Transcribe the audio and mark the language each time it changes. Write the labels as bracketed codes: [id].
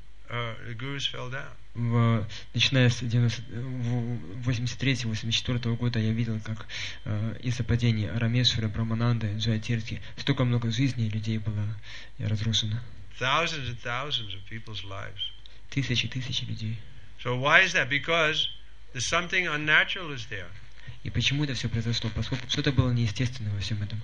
[en] the gurus fell down. [ru] В, начиная с 83-84 года я видел, как из-за падения Рамешвара, Брамананды, Джаятирти столько много жизней людей было разрушено. [en] Thousands and thousands of people's lives. [ru] Тысячи и тысячи людей. [en] So why is that? Because there's something unnatural is there. [ru] И почему это все произошло? Поскольку что-то было неестественное во всем этом.